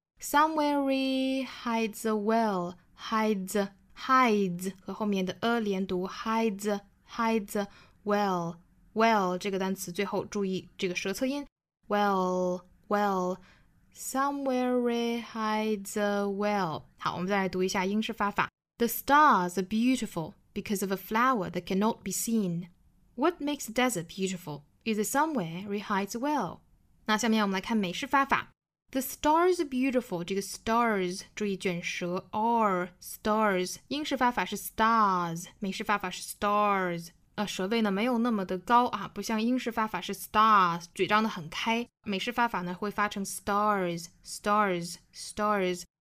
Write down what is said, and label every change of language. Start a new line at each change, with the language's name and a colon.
English: Somewhere hides a well, hides,
Chinese: 和后面的
English: a
Chinese: 连读
English: hides well,
Chinese: 这个单词最后注意这个舌侧音
English: well, somewhere hides a well.
Chinese: 好，我们再来读一下英式发法。
English: The stars are beautiful because of a flower that cannot be seen. What makes the desert beautiful is it somewhere it hides a well.
Chinese: 那下面我们来看美式发法。
English: The stars are beautiful,
Chinese: 这个 stars, 注意卷舌 are stars, 英式发法是 stars, 美式发法是 stars, 舌位呢没有那么的高啊不像英式发法是 stars, 嘴张得很开美式发法呢会发成 stars,